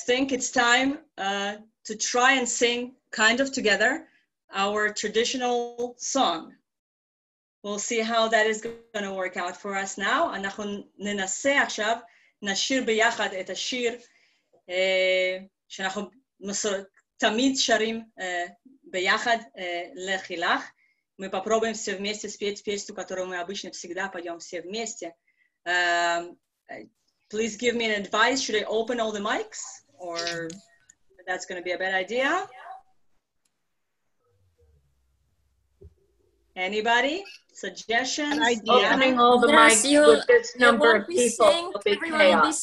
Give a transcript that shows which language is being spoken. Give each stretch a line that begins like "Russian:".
English: It's time to try and sing kind of together our traditional song. We'll see how that is going to work out for us now.
Hebrew: אנחנו ננסה עכשיו נשיר ביחד את השיר שאנחנו תמיד שרים ביחד לחילך.
Russian: Мы попробуем все вместе спеть песню, которую мы обычно всегда поём все вместе.
English: Please give me an advice. Should I open all the mics? Or that's going to be a bad idea. Anybody? Suggestions? Opening all the mics with this number of people